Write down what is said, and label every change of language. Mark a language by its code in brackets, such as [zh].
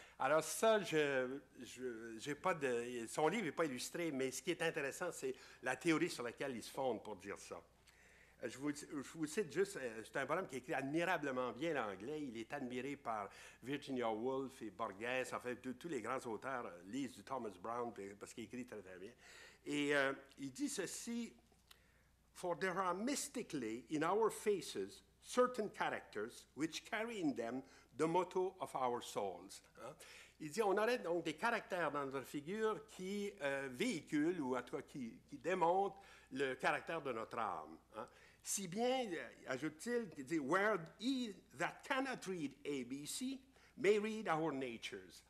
[fr] Alors ça, j'ai pas de, son livre n'est pas illustré, mais ce qui est intéressant, c'est la théorie sur laquelle il se fonde pour dire ça. Je vous cite juste, c'est un bonhomme qui écrit admirablement bien l'anglais. Il est admiré par Virginia Woolf et Borges, en fait, tous les grands auteurs lisent du Thomas Brown parce qu'il écrit très, très bien. Et il dit ceci, [en] « For there are mystically in our faces certain characters which carry in them the motto of our souls. [fr] Hein? » Il dit, on aurait donc des caractères dans notre figure qui véhiculent, ou en tout cas qui démontrent le caractère de notre âme. Hein? Si bien, ajoute-t-il, il dit, [en] « Where he that cannot read ABC may read our natures.